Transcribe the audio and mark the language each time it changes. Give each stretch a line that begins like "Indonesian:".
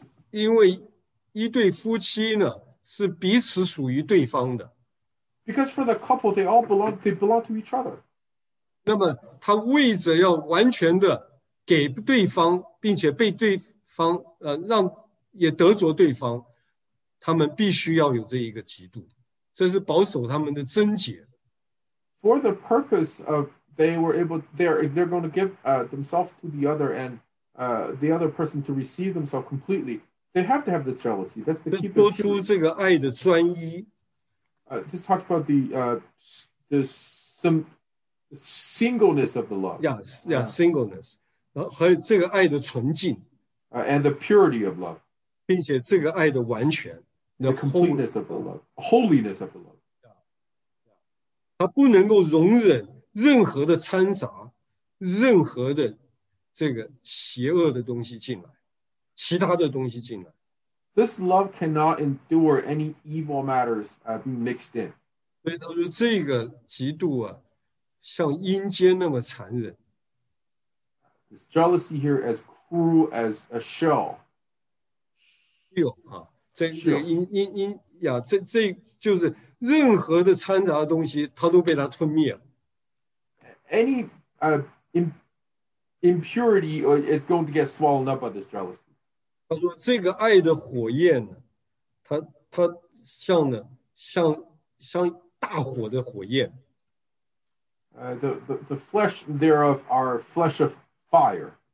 Chinese: 因为一对夫妻呢是彼此属于对方的。
English: Because for the couple, they belong to each other.
Chinese: 那么他为着要完全的给对方，并且被对方让。也得着对方，他们必须要有这一个嫉妒，这是保守他们的贞洁。
English: For the purpose of they're going to give themselves to the other and the other person to receive themselves completely, they have to have this jealousy. That's the keep.
Chinese: 说出这个爱的专一。
English: This talks about the singleness of the love. Yeah, singleness.
Chinese: 然后还有这个爱的纯净。
English: And the purity of love.
Chinese: 并且这个爱的完全
English: the completeness of the love, holiness of the love.
Chinese: 他不能够容忍任何的掺杂，任何的这个邪恶的东西进来，其他的东西进来。
English: This love cannot endure any evil matters being mixed in.
Chinese: 所以这个嫉妒啊, 像阴间那么残忍。
English: This jealousy here as cruel as a shell.
Chinese: 秀啊, 这个阴, 呀, 这就是任何的掺杂的东西, 它都被它吞灭了。
English: Any impurity is going to get swallowed up by this jealousy.
Chinese: 他说这个爱的火焰呢, 它像呢, 像大火的火焰。
English: The flesh thereof are flesh of fire.